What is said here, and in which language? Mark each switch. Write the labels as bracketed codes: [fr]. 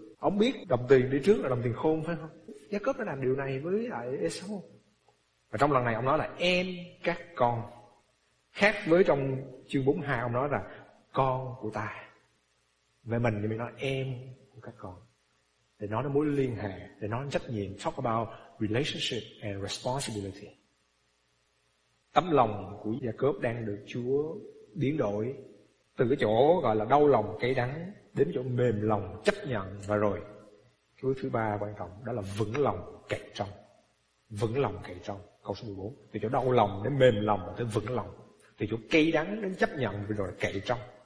[vi] Ông biết đồng tiền đi trước là đồng tiền khôn phải không? Gia-cốp đã làm điều này với lại Ê-sâu. Và trong lần này ông nói là em các con. Khác với trong chương 42 ông nói là con của ta. Về mình thì mình nói em của các con. Để nói đến mối liên hệ, để nói đến trách nhiệm. [en] Talk about relationship and responsibility. [vi] Tấm lòng của Gia-cốp đang được Chúa biến đổi từ cái chỗ gọi là đau lòng cay đắng đến chỗ mềm lòng chấp nhận. Và rồi cái thứ ba quan trọng đó là vững lòng cậy trông. Vững lòng cậy trông, câu số 14. Từ chỗ đau lòng đến mềm lòng tới vững lòng, từ chỗ cay đắng đến chấp nhận và rồi cậy trông.